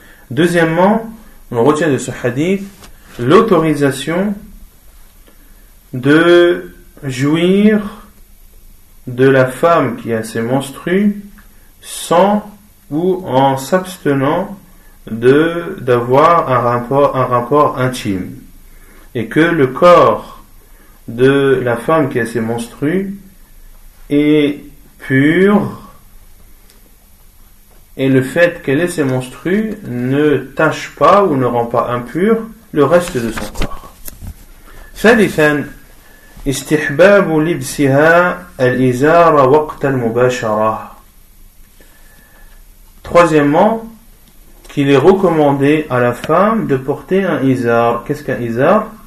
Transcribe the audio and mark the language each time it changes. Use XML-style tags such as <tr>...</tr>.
<fr>Deuxièmement, on retient de ce hadith l'autorisation de jouir de la femme qui a ses menstrues sans ou en s'abstenant d'avoir un rapport intime, et que le corps de la femme qui a ses menstrues est pur et le fait qu'elle ait ses menstrues ne tâche pas ou ne rend pas impur le reste de son corps.</fr> <ar>ثالثا استحباب لبسها الإزار وقت المباشرة.</ar> <fr>Troisièmement, qu'il est recommandé à la femme de porter un izar. Qu'est-ce qu'un izar?</fr>